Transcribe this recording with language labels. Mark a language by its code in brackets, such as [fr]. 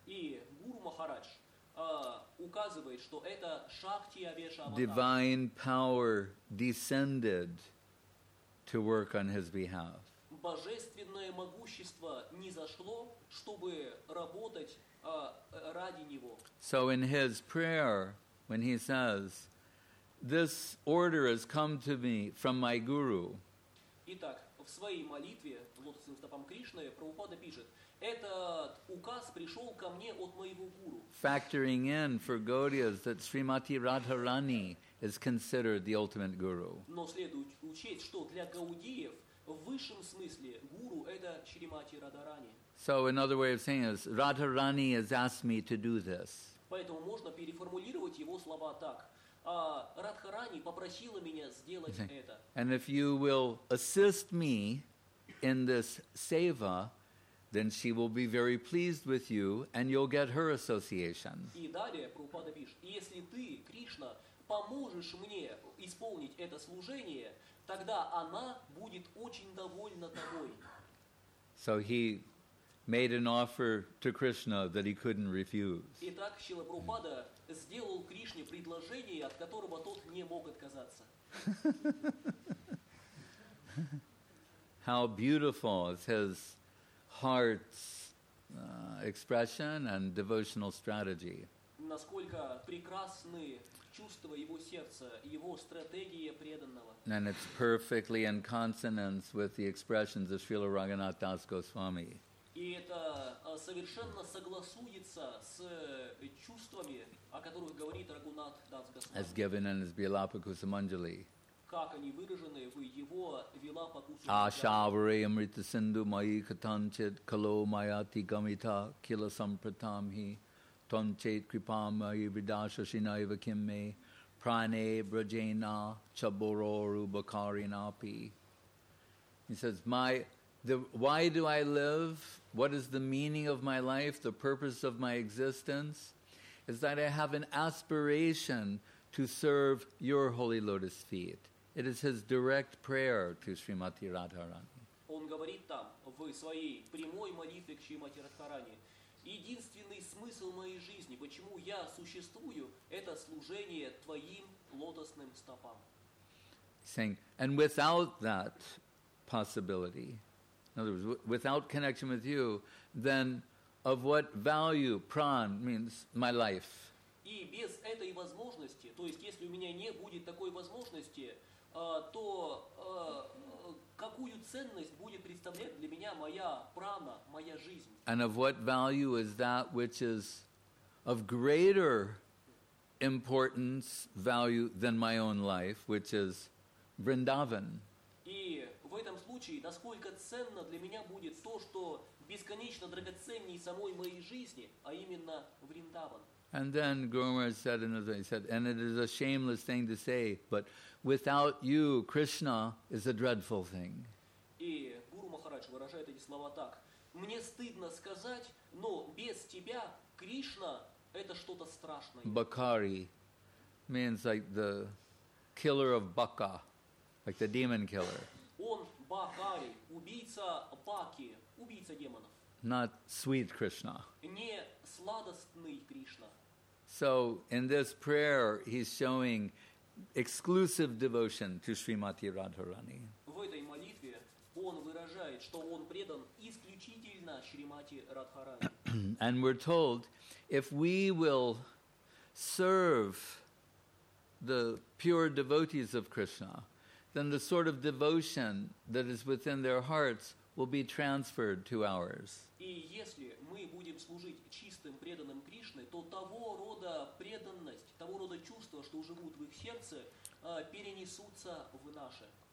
[ru] И Гуру Махарадж указывает, что это Шакти-авеш Аватар. [en] Divine power descended to work on his behalf. [ru] Божественное могущество не зашло, чтобы работать ради него. [en] So in his prayer, when he says, this order has come to me from my guru. [ru] Итак, в своей молитве лотосным стопам Кришны Прабхупада пишет: этот указ пришел ко мне от моего гуру. [en] Factoring in for Gaudias that Srimati Radharani is considered the ultimate guru. [ru] Но следует учесть, что для гаудиев в высшем смысле гуру это Шримати Радхарани. [en] So another way of saying is Radharani has asked me to do this. [ru] Поэтому можно переформулировать его слова так. Радхарани попросила меня сделать это. [en] And if you will assist me in this seva, then she will be very pleased with you and you'll get her association. [ru] И далее Прабхупада пишет, если ты, Кришна, поможешь мне исполнить это служение, тогда она будет очень довольна тобой. [en] So he made an offer to Krishna that he couldn't refuse. [ru] Итак, Шрила Прабхупада сделал Кришне предложение, от которого тот не мог отказаться. [en] How beautiful is his heart's expression and devotional strategy. [ru] Насколько прекрасны чувства его сердца, его стратегия преданного. [en] And it's perfectly in consonance with the expressions of Srila Raghunath Das Goswami. [ru] И это совершенно согласуется с чувствами, о которых говорит Рагунат Дас Госвами. [en] As given in his Vilapakusamanjali. [ru] Как они выражены в его Вилапакусамандали. [sa] Ашавари амритасинду майи катанчит кало майати гамита кила сампратамхи танчит крипамайи видаша шинаива кимме пране брджена чабороору бакаринапи. [en] He says, why do I live? What is the meaning of my life, the purpose of my existence? Is that I have an aspiration to serve your holy lotus feet. It is his direct prayer to Srimati Radharani. [ru] Он говорит там, в своей прямой молитве к Шримати Радхарани, единственный смысл моей жизни, почему я существую, это служение твоим лотосным стопам. [en] Saying, and without that possibility, in other words, without connection with you, then of what value, pran means my life. [ru] И без этой возможности, то есть если у меня не будет такой возможности, то какую ценность будет представлять для меня моя прана, моя жизнь? [en] And of what value is that which is of greater importance, value than my own life, which is Vrindavan? [ru] И в этом случае, насколько ценно для меня будет то, что бесконечно драгоценнее самой моей жизни, а именно Вриндаван. [en] And then Guru Maharaj said another thing. He said, and it is a shameless thing to say, but without you, Krishna is a dreadful thing. [ru] И Гуру Махарадж выражает эти слова так. Мне стыдно сказать, но без тебя Кришна – это что-то страшное. [en] Bakari means like the killer of Baka. Like the demon killer. [ru] Он Бакари, убийца Баки, убийца демонов. [en] Not sweet Krishna. [ru] Не сладостный Кришна. [en] So in this prayer he's showing exclusive devotion to Srimati Radharani. [ru] В этой молитве он выражает, что он предан исключительно Шримати Радхарани. [en] And we're told if we will serve the pure devotees of Krishna, then the sort of devotion that is within their hearts will be transferred to ours. [ru] И если мы будем служить чистым преданным Кришне, то того рода преданность, того рода чувства, что живут в их сердце, перенесутся в наше.